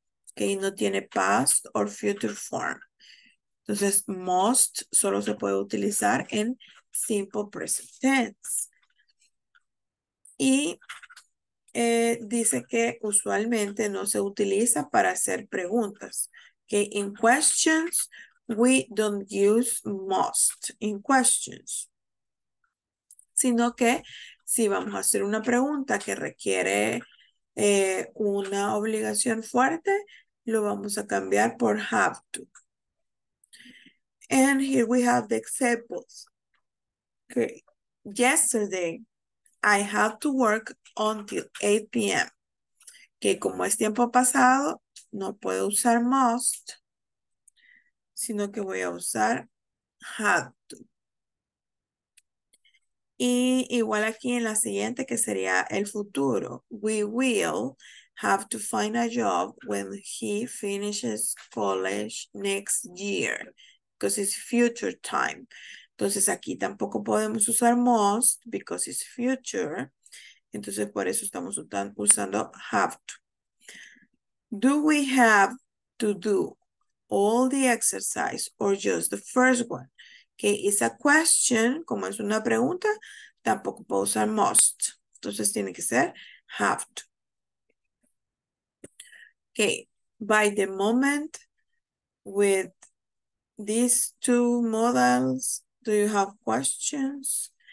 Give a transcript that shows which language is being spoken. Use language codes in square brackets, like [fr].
[es] Ok, no tiene [en] past or future form. [es] Entonces, must solo se puede utilizar en simple present tense. Y dice que usualmente no se utiliza para hacer preguntas. [en] Que okay, in questions, we don't use must in questions. [es] Sino que si vamos a hacer una pregunta que requiere una obligación fuerte, lo vamos a cambiar por have to. [en] And here we have the examples. Okay. Yesterday, I had to work until 8 p.m. [es] Que okay, como es tiempo pasado, no puedo usar must, sino que voy a usar had to. Y igual aquí en la siguiente, que sería el futuro. [en] We will have to find a job when he finishes college next year. Because it's future time. [es] Entonces aquí tampoco podemos usar [en] must because it's future. [es] Entonces por eso estamos usando have to. [en] Do we have to do all the exercise or just the first one? [es] Que [en] is a question, [es] como es una pregunta, tampoco puedo usar must. Entonces tiene que ser have to. [en] Okay, by the moment with these two modals, do you have questions?